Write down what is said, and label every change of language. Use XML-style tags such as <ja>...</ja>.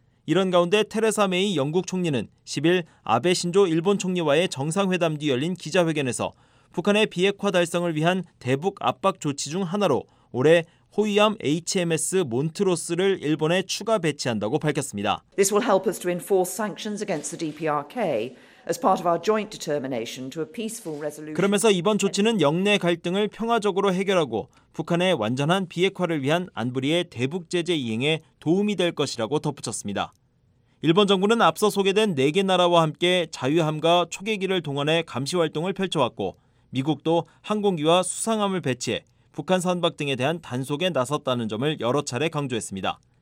<ko>이런 가운데 테레사 메이 영국 총리는 10일 아베 신조 일본 총리와의 정상회담 뒤 열린 기자회견에서 북한의 비핵화 달성을 위한 대북 압박 조치 중 하나로 올해 호위함 HMS 몬트로스를 일본에 추가 배치한다고 밝혔습니다.</ko> <en>This will help us to enforce sanctions against the DPRK as part of our joint determination to a peaceful resolution.</en> <ko>그러면서 이번 조치는 영내 갈등을 평화적으로 해결하고 북한의 완전한 비핵화를 위한 안보리의 대북 제재 이행에 도움이 될 것이라고 덧붙였습니다. 일본 정부는 앞서 소개된 4개 나라와 함께 자유함과 초계기를 동원해 감시 활동을 펼쳐왔고 미국도 항공기와 수상함을 배치해 북한 선박 등에 대한 단속에 나섰다는 점을 여러 차례 강조했습니다.</ko>